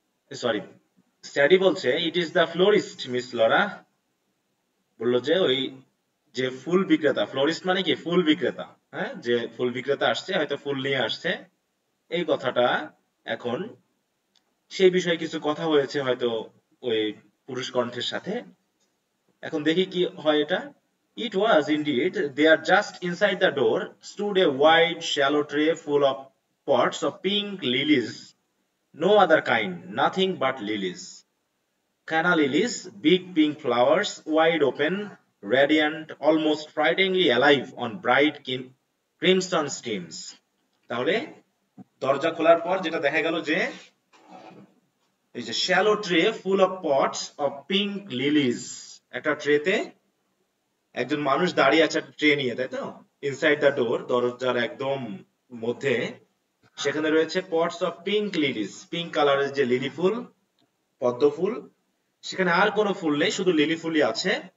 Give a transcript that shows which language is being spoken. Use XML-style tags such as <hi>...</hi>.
<bn>Sorry, স্যাডি বলছে</bn> <en>it is the florist,</en> <bn>miss Laura বলল যে ওই যে ফুল বিক্রেতা, ফ্লোরিস্ট মানে কি, ফুল বিক্রেতা, হ্যাঁ, যে ফুল বিক্রেতা আসছে হয়তো ফুল নিয়ে আসছে, এই কথাটা এখন সেই বিষয়ে কিছু কথা হয়েছে হয়তো ওই পুরুষ কণ্ঠের সাথে, এখন দেখি কি হয় এটা।</bn> <en>It was indeed, they are just inside the door stood a white shallow tray full of pots of pink lilies, No other kind, nothing but lilies. Canna lilies, big pink flowers, wide open, radiant, almost frighteningly alive on bright crimson stems.</en> <bn>তাহলে দরজা খোলার পর যেটা দেখা গেল যে এই যে</bn> <en>shallow tray full of pots of pink lilies,</en> <bn>একটা ট্রেতে একজন মানুষ দাঁড়িয়ে আছে ট্রে নিয়ে, তাই তো?</bn> <en>inside the door,</en> <bn>দরজার একদম মধ্যে সেখানে রয়েছে</bn> <en>pots of pink lilies,</en> <bn>পিঙ্ক কালারের যে লিলি ফুল, পদ্ম ফুল, সেখানে আর কোনো ফুল নেই, শুধু লিলি ফুলই আছে।</bn>